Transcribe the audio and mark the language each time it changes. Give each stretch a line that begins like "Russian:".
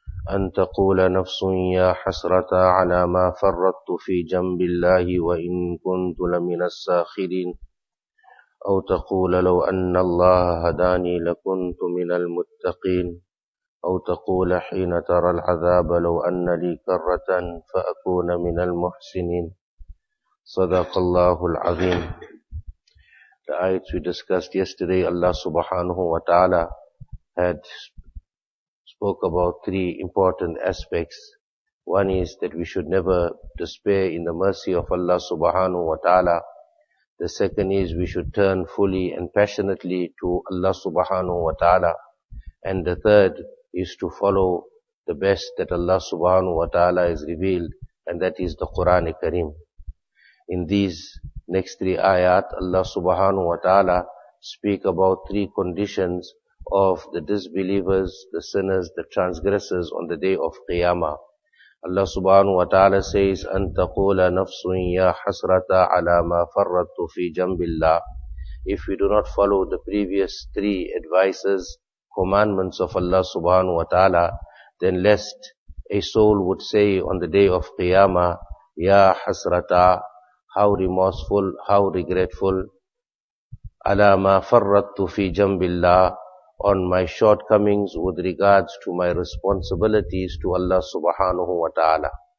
Arabic: أن تقول نفس يا حسرة على ما فرطت في جنب الله وإن كنت لمن الساخرين، أو تقول لو أن الله هداني لكنت من المتقين، أو تقول حين ترى العذاب لو أن لي كرة فأكون من المحسنين. صدق الله العظيم.
English: The ayats we discussed yesterday, Allah subhanahu wa ta'ala had spoke about three important aspects. One is that we should never despair in the mercy of Allah subhanahu wa ta'ala. The second is we should turn fully and passionately to Allah subhanahu wa ta'ala. And the third is to follow the best that Allah subhanahu wa ta'ala has revealed, and that is the Qur'an al-Kareem. In these next three ayat, Allah subhanahu wa ta'ala speak about three conditions of the disbelievers, the sinners, the transgressors on the day of Qiyamah. Allah subhanahu wa ta'ala says,
Arabic: أَن تَقُولَ نَفْسٌ يَا حَسْرَةَ عَلَى مَا فَرَّطُ فِي جَنْبِ اللَّهِ.
English: If we do not follow the previous three advices, commandments of Allah subhanahu wa ta'ala, then lest a soul would say on the day of Qiyamah,
Arabic: يَا حَسْرَةَ,
English: how remorseful, how regretful,
Arabic: ala ma farrattu fi jambillah,
English: on my shortcomings with regards to my responsibilities to Allah subhanahu wa ta'ala.